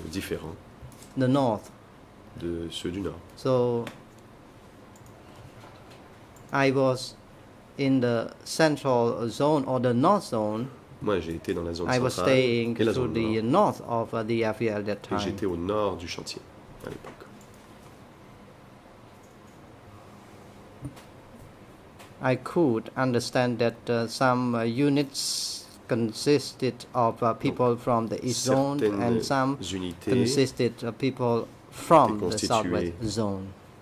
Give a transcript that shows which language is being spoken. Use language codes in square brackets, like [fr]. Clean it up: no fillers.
[fr] différent [en] the north. [fr] De ceux du nord. [en] So I was in the central zone or the north zone. [fr] Moi, j'ai été dans la zone [en] I was staying to the north of the airfield at that time. [fr] Et j'étais au nord du chantier à l'époque. [en] I could understand that some units consisted of people from the east zone and some consisted of people from the southwest zone.